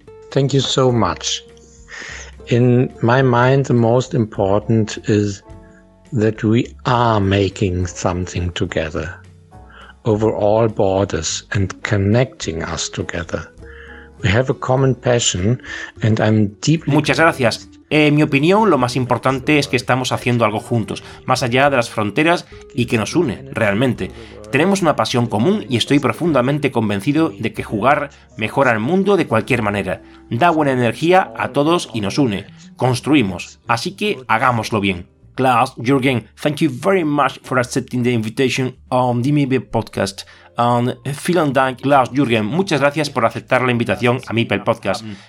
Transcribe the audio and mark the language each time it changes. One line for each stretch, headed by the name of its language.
English: Thank you so much. In my mind, the most important is that we are making something together, over all borders and connecting us together. We have a common passion and I'm deeply...
Spanish: Muchas gracias. En mi opinión, lo más importante es que estamos haciendo algo juntos, más allá de las fronteras y que nos une, realmente. Tenemos una pasión común y estoy profundamente convencido de que jugar mejora el mundo de cualquier manera. Da buena energía a todos y nos une. Construimos. Así que hagámoslo bien.
English: Klaus Jürgen, thank you very much for accepting the invitation on the MIPEL podcast. And
German: vielen Dank,
English: Klaus Jürgen.
Spanish: Muchas gracias por aceptar la invitación a MIPEL podcast.